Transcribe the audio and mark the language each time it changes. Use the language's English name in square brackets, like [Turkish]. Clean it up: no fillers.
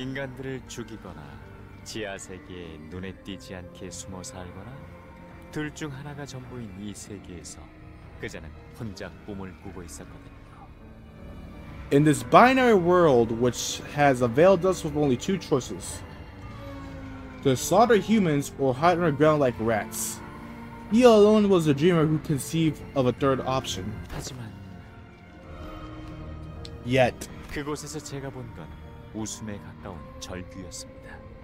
[Korean] 인간들을 죽이거나 지하 세계에 눈에 띄지 않게 숨어 살거나 둘 중 하나가 전부인 이 세계에서 그자는 혼자 꿈을 꾸고 있었거든요. [English] In this binary world, which has availed us with only two choices, to slaughter humans or hide underground like rats, he alone was the dreamer who conceived of a third option. [Korean] 하지만 [English] yet [Korean] 그곳에서 제가 본 건 웃음에 가까운 절규였습니다.